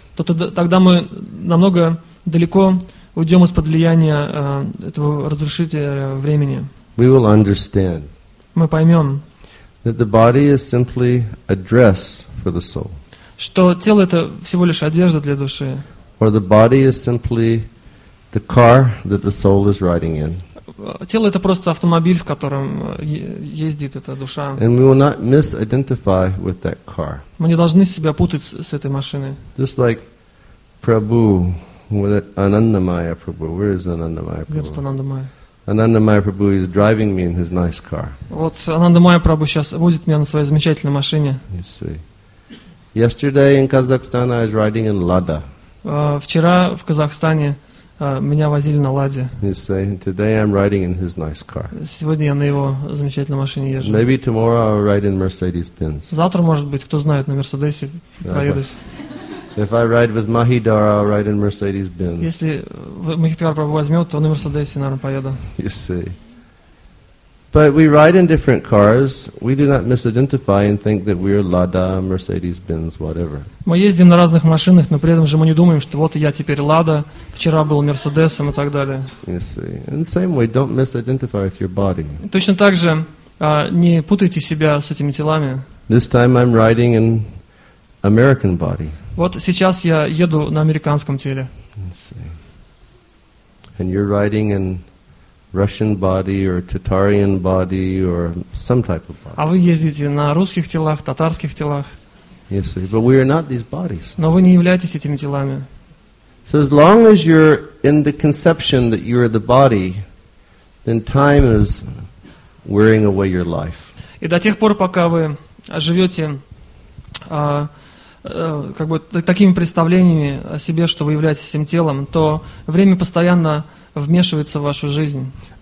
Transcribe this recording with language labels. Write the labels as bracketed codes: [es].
[ru] Тогда мы намного далеко уйдем из-под влияния этого разрушителя времени. [en] We will understand. [ru] Мы поймем. [en] That the body is simply a dress for the soul. [ru] Что тело это всего лишь одежда для души. [en] Or the body is simply the car that the soul is riding in. [ru] Тело это просто автомобиль, в котором ездит эта душа. [en] And we will not misidentify with that car. [ru] Мы не должны себя путать с этой машиной. [en] Just like Prabhu, with Anandamaya Prabhu. Where is Anandamaya Prabhu? [ru] Где Анандамая? [en] Анандамая Прабху is driving me in his nice car. [ru] Вот Анандамая Прабху сейчас возит меня на своей замечательной машине. [en] You see. Yesterday in Kazakhstan I was riding in Lada. [ru] Вчера в Казахстане меня возили на Ладе. [en] You see. Today I'm riding in his nice car. [ru] Сегодня я на его замечательной машине езжу. [en] Maybe tomorrow I'll ride in Mercedes-Benz. [ru] Завтра, может быть, кто знает, на Мерседесе проедусь. [en] If I ride with Mahidhar, I'll ride in Mercedes-Benz. [ru] Если Махидхар Прабху возьмет, то на Мерседесе, наверное, поеду. [en] You see. But we ride in different cars. We do not misidentify and think that we're Lada, Mercedes-Benz, whatever. [ru] Мы ездим на разных машинах, но при этом же мы не думаем, что вот я теперь Лада, вчера был Мерседесом и так далее. [en] You see. In the same way, don't misidentify with your body. [ru] Точно так же не путайте себя с этими телами. [en] This time I'm riding in American body. [ru] Вот сейчас я еду на американском теле. [en] And you're riding in Russian body or Tatarian body or some type of body. [ru] А вы ездите на русских телах, татарских телах. [en] You see. But we are not these bodies. [ru] Но вы не являетесь этими телами. [en] So as long as you're in the conception that you're the body, then time is wearing away your life. [ru] И до тех пор, пока вы живете как бы такими представлениями о себе, что вы являетесь всем телом, то время постоянно вмешивается в вашу жизнь.